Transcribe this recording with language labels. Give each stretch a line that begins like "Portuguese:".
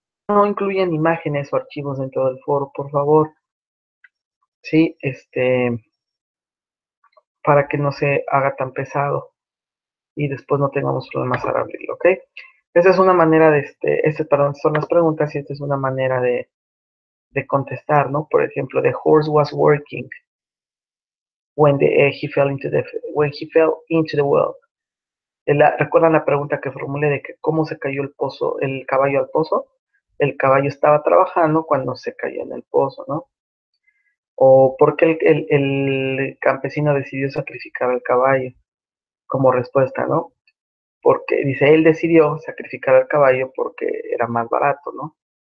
Spanish: No incluyan imágenes o archivos dentro del foro, por favor. Sí, para que no se haga tan pesado y después no tengamos problemas al abrirlo, ¿ok? Esa es una manera de, perdón, son las preguntas y esta es una manera de contestar, ¿no? Por ejemplo,
English: the horse was working when he fell into when he fell into the well.
Spanish: ¿Recuerdan la pregunta que formulé de que cómo se cayó el caballo al pozo? El caballo estaba trabajando cuando se cayó en el pozo, ¿no? ¿O por qué el campesino decidió sacrificar al caballo? Como respuesta, ¿no? Porque dice, él decidió sacrificar al caballo porque era más barato, ¿no?